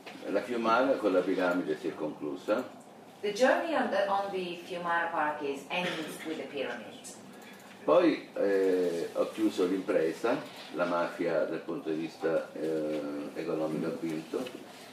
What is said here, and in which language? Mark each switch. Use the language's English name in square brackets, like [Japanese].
[Italian] La Fiumara con la piramide si è conclusa. [English] The journey on the Fiumara Park is ends with the pyramid. [Italian] Poi ho chiuso l'impresa, la mafia dal punto di vista economico ha vinto.